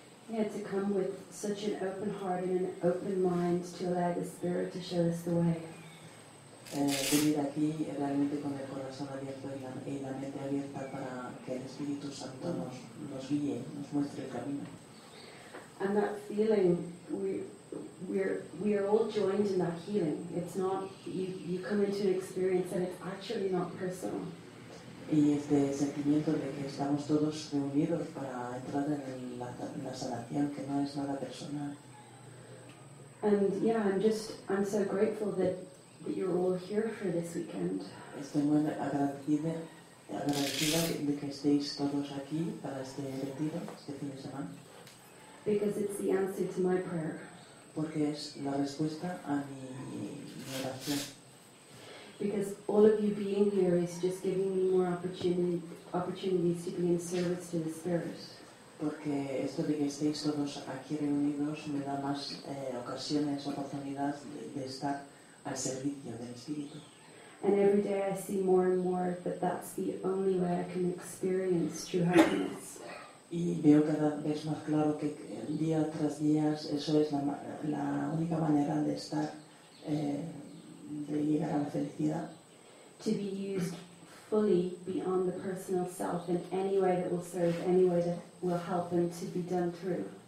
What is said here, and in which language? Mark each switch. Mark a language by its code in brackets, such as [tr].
[en] Yeah, to come with such an open heart and an open mind to allow the Spirit to show us the way. [es] Venir aquí realmente con el corazón abierto y la mente abierta para que el Espíritu Santo nos guíe, nos muestre el camino. [en] and that feeling, we are all joined in that healing. It's not, you come into an experience and it's actually not personal. [es] Y este sentimiento de que estamos todos unidos para entrar en la sanación, que no es nada personal. [en] And yeah, I'm so grateful that you're all here for this weekend. [es] Estoy muy agradecida de que estéis todos aquí para este retiro, este fin de semana. [en] Because it's the answer to my prayer. [es] Porque es la respuesta a mi oración. [en] Because all of you being here is just giving me more opportunities to be in service to the Spirit. [es] Porque esto de que estéis todos aquí reunidos me da más ocasiones, oportunidades de estar al servicio del Espíritu. [en] And every day I see more and more that's the only way I can experience true happiness. [es] Y veo cada vez más claro que día tras día eso es la única manera de estar de llegar a la felicidad. [en] To be used fully beyond the personal self in any way that will serve, any way that will help and to be done through.